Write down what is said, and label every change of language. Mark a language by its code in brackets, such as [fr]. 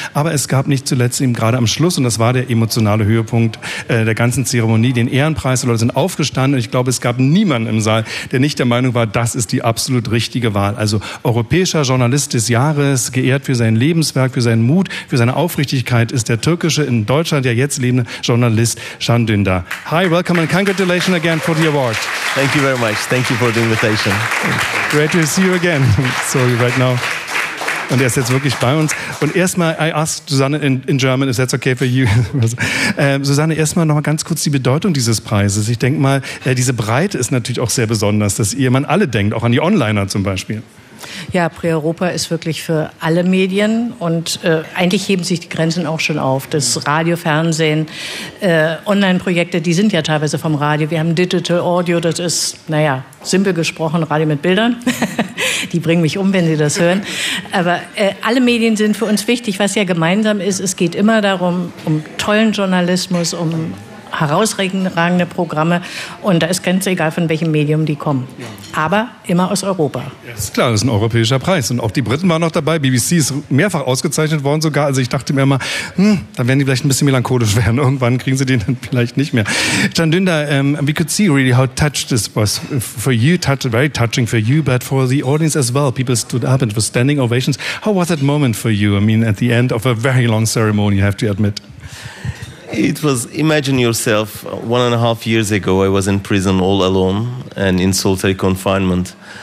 [de] Aber es gab nicht zuletzt eben gerade am Schluss, und das war der emotionale Höhepunkt der ganzen Zeremonie, den Ehrenpreis. Die Leute sind aufgestanden und ich glaube, es gab niemanden im Saal, der nicht der Meinung war, das ist die absolut richtige Wahl. Also europäischer Journalist des Jahres, geehrt für sein Lebenswerk, für seinen Mut, für seine Aufrichtigkeit, ist der türkische, in Deutschland ja jetzt lebende Journalist Can Dündar. [en] Hi, welcome and congratulations again for the award. Thank you very much. Thank you for the invitation. Great to see you again. Sorry, right now. [de] Und er ist jetzt wirklich bei uns. Und erstmal, [en] I ask Susanne in German, if that's okay for you. [de] Susanne, erstmal nochmal ganz kurz die Bedeutung dieses Preises. Ich denke mal, diese Breite ist natürlich auch sehr besonders, dass ihr man alle denkt, auch an die Onliner zum Beispiel. Ja, Prix Europa ist wirklich für alle Medien und eigentlich heben sich die Grenzen auch schon auf. Das Radio, Fernsehen, Online-Projekte, die sind ja teilweise vom Radio. Wir haben Digital Audio, das ist, naja, simpel gesprochen, Radio mit Bildern. Die bringen mich um, wenn sie das hören. Aber alle Medien sind für uns wichtig. Was ja gemeinsam ist, es geht immer darum, um tollen Journalismus, um herausragende Programme, und da ist ganz egal, von welchem Medium die kommen. Aber immer aus Europa. Ja, ist klar, das ist ein europäischer Preis. Und auch die Briten waren noch dabei. BBC ist mehrfach ausgezeichnet worden sogar. Also ich dachte mir immer, dann werden die vielleicht ein bisschen melancholisch werden. Irgendwann kriegen sie den dann vielleicht nicht mehr. [en] Can Dündar, we could see really how touched this was. For you, very touching for you, but for the audience as well. People stood up and were standing ovations. How was that moment for you? I mean, at the end of a very long ceremony, I have to admit. It was, imagine yourself, 1.5 years ago, I was in prison all alone and in solitary confinement.